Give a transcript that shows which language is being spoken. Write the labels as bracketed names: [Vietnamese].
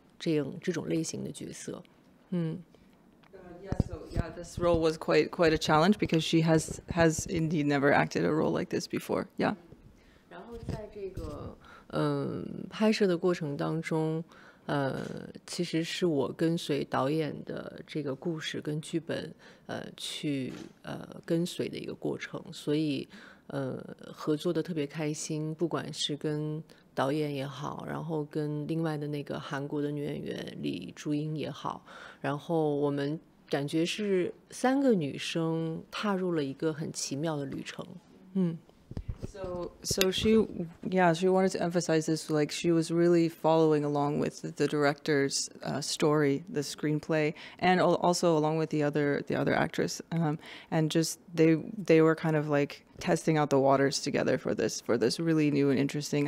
[Chinese] 其实对我来说这个角色确实是一个比较大的挑战,因为我从来都没有演过这种类型的角色。 [English] Yeah, this role was quite a challenge because she has indeed never acted a role like this before. Yeah. [Chinese] 然后在这个 拍摄的过程当中，其实是我跟随导演的这个故事跟剧本，去跟随的一个过程，所以，合作的特别开心，不管是跟导演也好，然后跟另外的那个韩国的女演员李珠英也好，然后我们感觉是三个女生踏入了一个很奇妙的旅程，嗯。 [English] So she wanted to emphasize this, like she was really following along with the director's story, the screenplay, and also along with the other actress, and just they were kind of like testing out the waters together for this really new and interesting.